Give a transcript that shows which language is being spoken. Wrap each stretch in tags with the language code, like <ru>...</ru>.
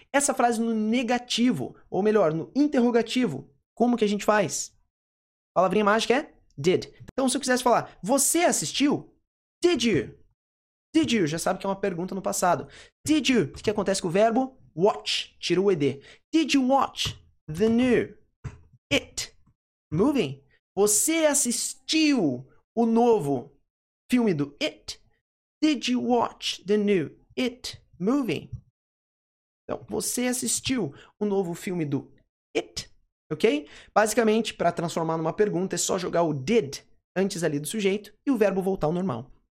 <pt>Essa frase no negativo, ou melhor, no interrogativo, como que a gente faz? Palavrinha mágica é did. Então se eu quisesse falar, você assistiu?</pt> <en>Did you? Did you?</en> <pt>Já sabe que é uma pergunta no passado.</pt> <en>Did you?</en> <pt>O que acontece com o verbo? Watch. Tira o ED.</pt> <en>Did you watch the new It movie?</en> <pt>Você assistiu o novo filme do It?</pt> <en>Did you watch the new It movie?</en> <pt>Então, você assistiu o novo filme do It? Ok? Basicamente, para transformar numa pergunta, é só jogar o did antes ali do sujeito e o verbo voltar ao normal.</pt>